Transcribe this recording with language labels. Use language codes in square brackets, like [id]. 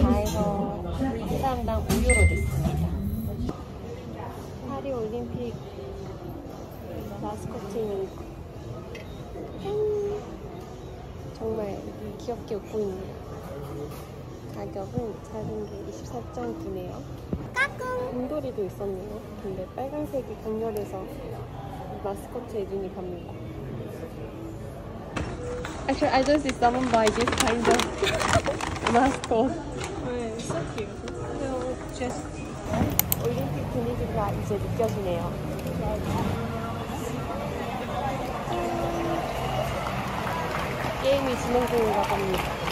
[ko] 다 해서 한 사람당 5유로 됐습니다. 파리 올림픽 마스코트인 정말 귀엽게 웃고 있네요. 가격은 작은 게 24.9네요. 까꿍! 곰돌이도 있었네요. 근데 빨간색이 강렬해서 마스코트의 눈이 갑니다. [en] Actually, I just summoned by this kind of mascot. It's so cute. So, just... [ko] 올림픽 분위기가 이제 느껴지네요. 게임이 진행 중인가 봅니다.